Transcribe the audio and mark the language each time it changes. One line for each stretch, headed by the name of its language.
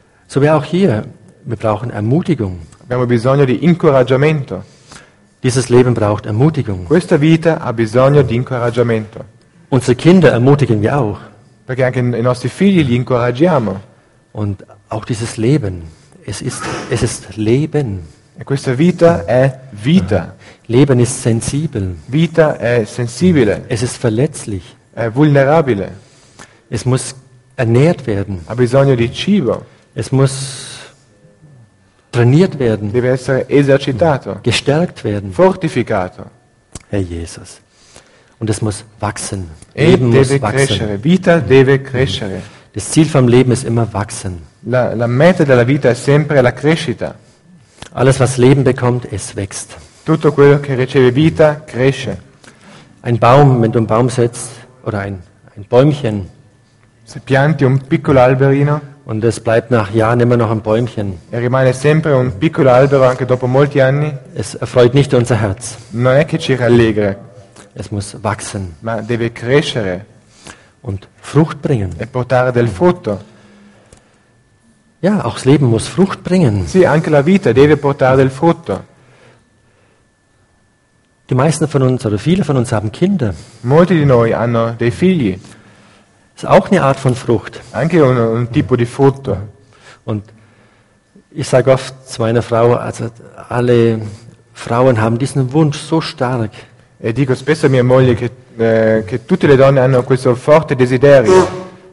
German: So wie auch hier, wir brauchen Ermutigung.
Italian: Abbiamo bisogno di incoraggiamento.
German: Dieses Leben braucht Ermutigung.
Italian: Questa vita ha bisogno di incoraggiamento.
German: Unsere Kinder ermutigen wir auch.
Italian: Perché anche i nostri figli li incoraggiamo.
German: Und auch dieses Leben, es ist Leben.
Italian: E questa vita è vita.
German: Leben ist sensibel.
Italian: Vita è sensibile.
German: Es ist verletzlich.
Italian: È vulnerabile.
German: Es muss ernährt werden.
Italian: Ha bisogno di cibo.
German: Es muss trainiert werden.
Italian: Deve essere esercitato.
German: Gestärkt werden.
Italian: Fortificato.
German: Herr Jesus. Und es muss wachsen. Leben
Italian: deve
German: muss wachsen.
Italian: Crescere. Vita deve crescere.
German: Das Ziel vom Leben ist immer wachsen.
Italian: La meta della vita è sempre la crescita.
German: Alles, was Leben bekommt, es wächst.
Italian: Tutto quello che riceve vita cresce.
German: Ein Baum, wenn du einen Baum setzt, oder ein Bäumchen.
Italian: Se pianti un piccolo alberino.
German: Und es bleibt nach Jahren immer noch ein Bäumchen.
Italian: E rimane sempre un piccolo albero anche dopo molti anni.
German: Es erfreut nicht unser Herz.
Italian: Non è che ci rallegra.
German: Es muss wachsen.
Italian: Ma deve crescere.
German: Und Frucht bringen.
Italian: E portare del frutto.
German: Ja, auch das Leben muss Frucht bringen.
Italian: Sì, anche la vita deve portare del frutto.
German: Die meisten von uns oder viele von uns haben Kinder.
Italian: Molti di noi hanno dei figli.
German: Ist auch eine Art von Frucht.
Italian: Anche un tipo di frutto.
German: Und ich sage oft zu meiner Frau, also alle Frauen haben diesen Wunsch so stark.
Italian: E dico spesso a mia moglie che tutte le donne hanno questo forte desiderio.